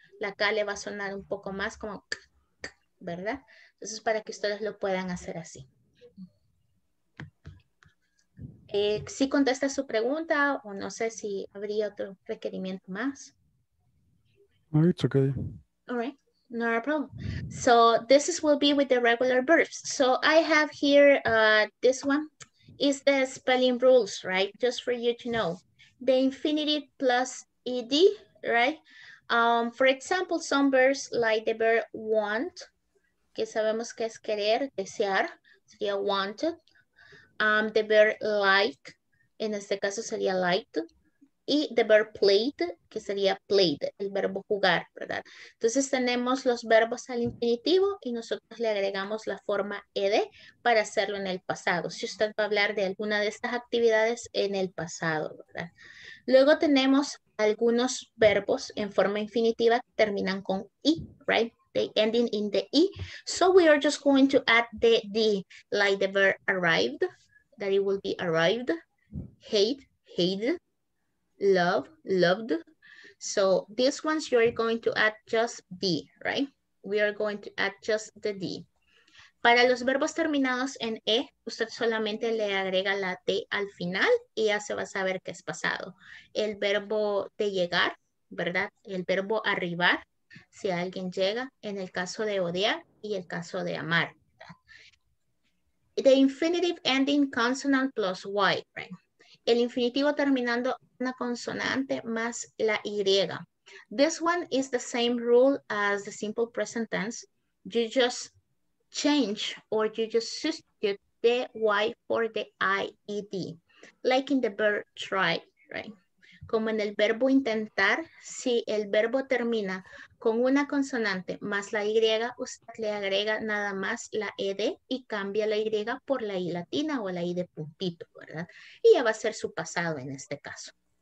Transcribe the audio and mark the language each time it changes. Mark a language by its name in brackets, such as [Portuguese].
[Spanish] La K le va a sonar un poco más como k, k, ¿verdad? Entonces, para que ustedes lo puedan hacer así. ¿Sí contesta su pregunta o no sé si habría otro requerimiento más? [English] No, it's okay. All right. No problem. So this is will be with the regular verbs. So I have here this one is the spelling rules, right? Just for you to know. The infinitive plus ed right? For example, some verbs like the verb want, que sabemos que es querer, desear, sería wanted. [Spanish] The verb like, en este caso sería liked. Y the verb played, que sería played, el verbo jugar, ¿verdad? Entonces tenemos los verbos al infinitivo y nosotros le agregamos la forma ed para hacerlo en el pasado. Si usted va a hablar de alguna de estas actividades en el pasado, ¿verdad? Luego tenemos algunos verbos en forma infinitiva que terminan con i, right? [English] They ending in the i. So we are just going to add the d, like the verb arrived, that it will be arrived. Hate, hated. Love, loved. So these ones you are going to add just D, right? We are going to add just the D. [Spanish] Para los verbos terminados en E, usted solamente le agrega la T al final y ya se va a saber qué es pasado. El verbo de llegar, ¿verdad? El verbo arribar, si alguien llega, en el caso de odiar y el caso de amar. The infinitive ending consonant plus Y, right? El infinitivo terminando una consonante más la Y. [English] This one is the same rule as the simple present tense. You just change or you just substitute the Y for the IED. Like in the verb try, right? [Spanish] Como en el verbo intentar, si el verbo termina con una consonante más la Y, usted le agrega nada más la ED y cambia la Y por la I latina o la I de puntito, ¿verdad? Y ya va a ser su pasado en este caso.